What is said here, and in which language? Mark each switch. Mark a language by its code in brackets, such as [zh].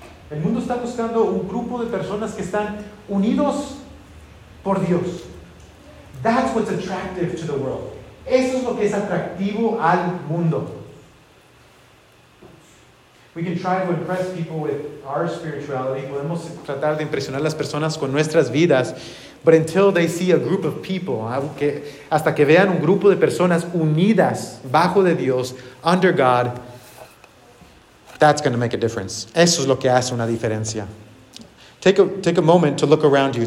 [es] El mundo está buscando un grupo de personas que están unidos por Dios. [en] That's what's attractive to the world. [es] Eso es lo que es atractivo al mundo. [en] We can try to impress people with our spirituality. [es] Podemos tratar de impresionar las personas con nuestras vidas. [en] But until they see a group of people, [es] hasta que vean un grupo de personas unidas bajo de Dios, [en] under God, that's going to make a difference. [es] Eso es lo que hace una diferencia. [en] Take a moment to look around you.